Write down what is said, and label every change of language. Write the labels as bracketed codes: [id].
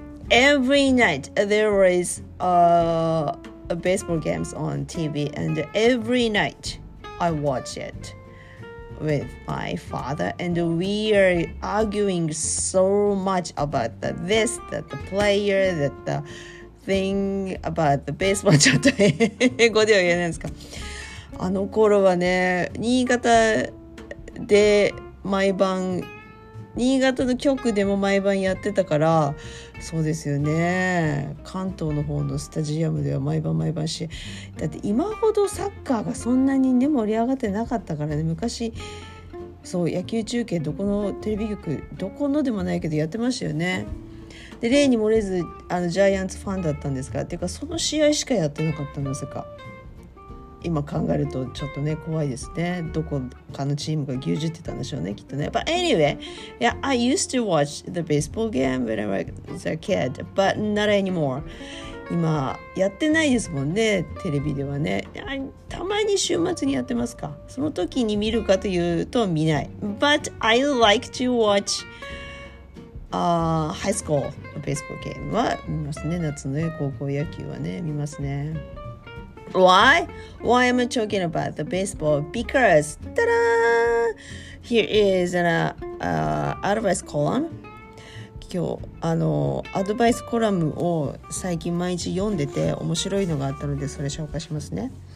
[en] Every night there was a baseball games on TV, and every night I watch it with my father, and we are arguing so much about this, that the player, that the thing about the baseball. [ja] ちょっと英語では言えないんですか。あの頃はね、新潟で毎晩新潟の局でも毎晩やってたから、そうですよね。関東の方のスタジアムでは毎晩毎晩し、だって今ほどサッカーがそんなにね盛り上がってなかったからね、昔、そう野球中継どこのテレビ局、どこのでもないけどやってましたよね。で、例に漏れずあのジャイアンツファンだったんですから、っていうかその試合しかやってなかったんですか。今考えるとちょっとね怖いですね。どこかのチームが牛耳ってたんでしょうねきっとね。 [en] But anyway, yeah, I used to watch the baseball game when I was a kid, but not anymore. [ja] 今やってないですもんね、テレビではね。たまに週末にやってますか。その時に見るかというと見ない。 [en] But I like to watch high school baseball game [ja] は見ますね。夏の、ね、高校野球はね見ますね。 [en] Why? Why am I talking about the baseball? Because, ta-da! Here is an advice column. [ja] 今日、あの、アドバイスコラムを最近毎日読んでて面白いのがあったのでそれ紹介しますね。